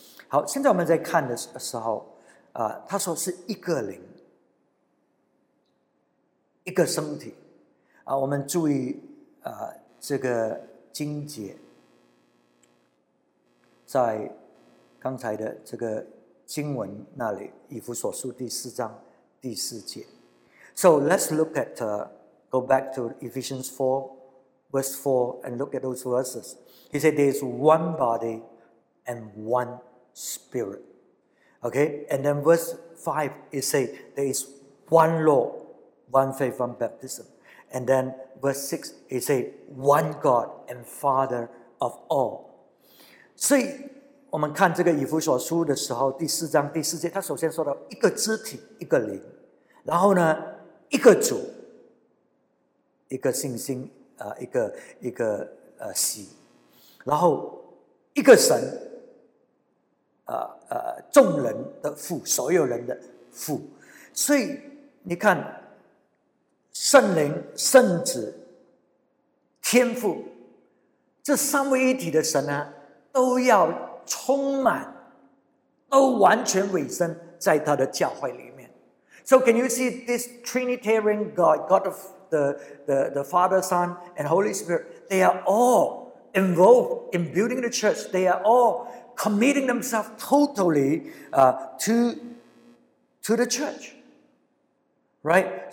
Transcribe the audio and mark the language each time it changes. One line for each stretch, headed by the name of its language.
Chinese: 好，现在我们在看的时候他说是一个灵，一个身体我们注意这个经节，在刚才的这个经文那里，以弗所书第四章第四节。
English: So let's look at, go back to Ephesians 4, verse 4, and look at those verses. He said, there is one body and one spirit. Okay, and then verse 5, it says, there is one Lord, one faith, one baptism. And then verse 6, it says, one God and Father of all.
Chinese: 所以我们看这个以弗所书的时候，第四章第四节，他首先说到一个肢体，一个灵，然后呢，一个主，一个信心，一个喜，然后一个神，众人的父，所有人的父。所以你看，圣灵、圣子、天父，这三位一体的神啊，都要充满，都完全委身在他的教会里面。
English: So can you see this Trinitarian God, God of the Father, Son, and Holy Spirit? They are all involved in building the church. They are all committing themselves totally to the church. Right?